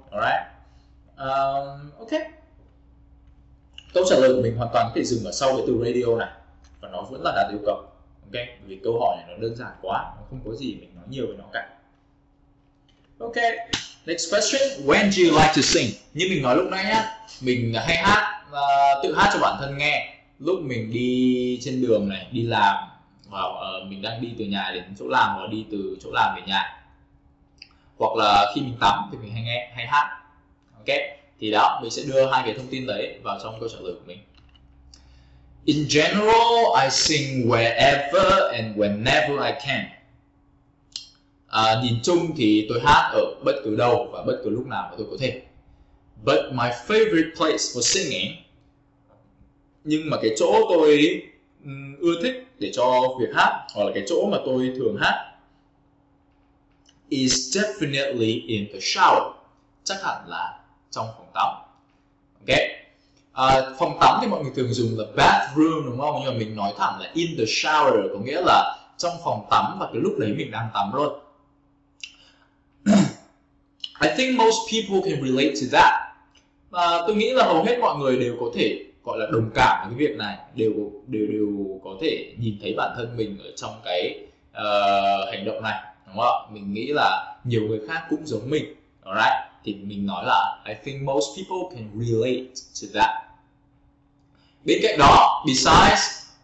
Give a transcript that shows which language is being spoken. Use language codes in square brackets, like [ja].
[vi] Alright. Ok. Câu trả lời của mình hoàn toàn có thể dừng ở sau cái từ radio này, và nó vẫn là đạt yêu cầu. Ok, vì câu hỏi này nó đơn giản quá, nó không có gì mình nói nhiều về nó cả. Ok. [en] Next question, when do you like to sing? [vi] Như mình nói lúc nãy á, mình hay hát, tự hát cho bản thân nghe. Lúc mình đi trên đường này, đi làm, hoặc mình đang đi từ nhà đến chỗ làm, hoặc đi từ chỗ làm về nhà. Hoặc là khi mình tắm thì mình hay nghe, hay hát. Ok, thì đó, mình sẽ đưa hai cái thông tin đấy vào trong câu trả lời của mình. [en] In general, I sing wherever and whenever I can. [vi] Nhìn chung thì tôi hát ở bất cứ đâu và bất cứ lúc nào mà tôi có thể. [en] But my favorite place for singing, [vi] nhưng mà cái chỗ tôi ưa thích để cho việc hát, hoặc là cái chỗ mà tôi thường hát, [en] is definitely in the shower, [vi] chắc hẳn là trong phòng tắm. Ok. Phòng tắm thì mọi người thường dùng là bathroom đúng không? Nhưng mà mình nói thẳng là [en] in the shower, [vi] có nghĩa là trong phòng tắm và cái lúc đấy mình đang tắm luôn. [en] I think most people can relate to that. [vi] Tôi nghĩ là hầu hết mọi người đều có thể gọi là đồng cảm với cái việc này, đều có thể nhìn thấy bản thân mình ở trong cái hành động này, đúng không? Mình nghĩ là nhiều người khác cũng giống mình. Alright, thì mình nói là [en] I think most people can relate to that. [vi] Bên cạnh đó, besides,